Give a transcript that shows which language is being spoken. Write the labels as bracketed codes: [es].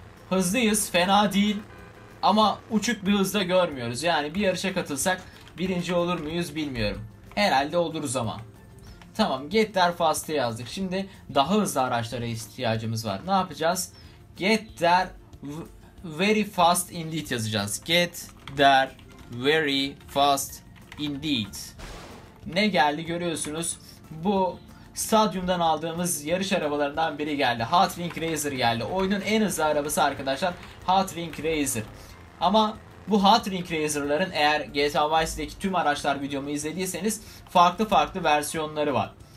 [tr] Hızlıyız. Fena değil. Ama uçuk bir hızda görmüyoruz. Yani bir yarışa katılsak birinci olur muyuz bilmiyorum. Herhalde oluruz ama. Tamam, get there fast'ı yazdık. Şimdi daha hızlı araçlara ihtiyacımız var. Ne yapacağız? [en] Get there very fast indeed [tr] yazacağız. [en] Get there very fast indeed. [tr] Ne geldi görüyorsunuz. Bu stadyumdan aldığımız yarış arabalarından biri geldi. Hot Wing Racer geldi. Oyunun en hızlı arabası arkadaşlar Hot Wing Racer. Ama bu Hot Wing Racer'ların, eğer GTA Vice City'deki tüm araçlar videomu izlediyseniz, farklı farklı versiyonları var.